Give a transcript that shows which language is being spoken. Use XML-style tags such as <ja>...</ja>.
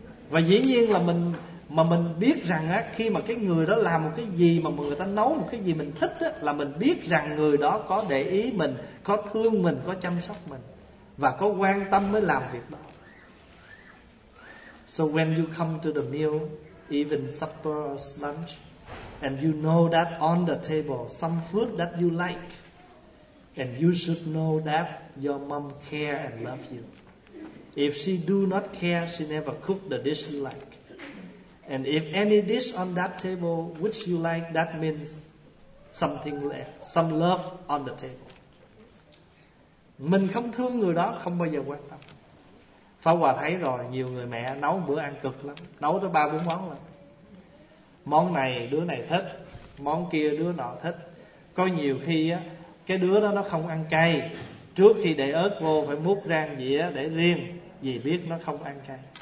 <vi>Và dĩ nhiên là mình, mà mình biết rằng á, khi mà cái người đó làm một cái gì mà người ta nấu một cái gì mình thích á, là mình biết rằng người đó có để ý mình, có thương mình, có chăm sóc mình và có quan tâm mới làm việc đó.</vi> <en>So when you come to the meal, even supper or lunch, and you know that on the table some food that you like, and you should know that your mom care and love you. If she do not care, she never cook the dish you like. And if any dish on that table which you like, that means something left, some love on the table.</en> <vi>Mình không thương người đó không bao giờ quan tâm. Pháp Hòa thấy rồi, nhiều người mẹ nấu bữa ăn cực lắm, nấu tới 3-4 món lắm. Món này đứa này thích, món kia đứa nọ thích. Có nhiều khi á, cái đứa đó nó không ăn cay, trước khi để ớt vô phải múc rang dĩa để riêng vì biết nó không ăn cay.</vi>